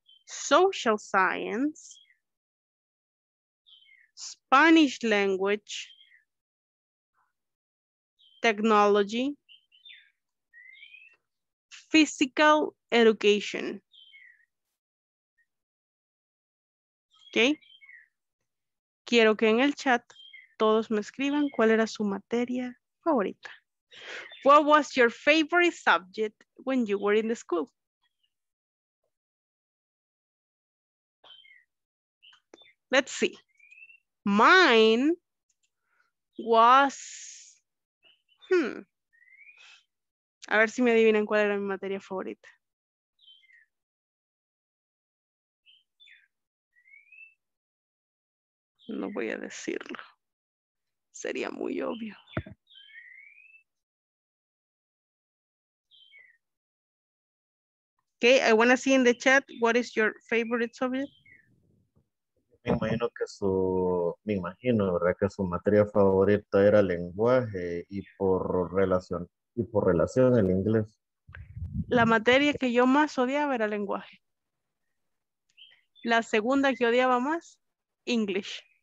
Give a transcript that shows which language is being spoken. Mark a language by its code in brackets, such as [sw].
[en] Social science, Spanish language, technology, physical education. Ok. [es] Quiero que en el chat todos me escriban cuál era su materia favorita. [en] What was your favorite subject when you were in the school? Let's see. Mine was, [es] a ver si me adivinan cuál era mi materia favorita. No voy a decirlo. Sería muy obvio. [en] Okay, I want to see in the chat, what is your favorite subject? [es] Me imagino, ¿verdad? Que su materia favorita era lenguaje y por relación, y por relación el inglés. La materia que yo más odiaba era lenguaje. La segunda que odiaba más, English.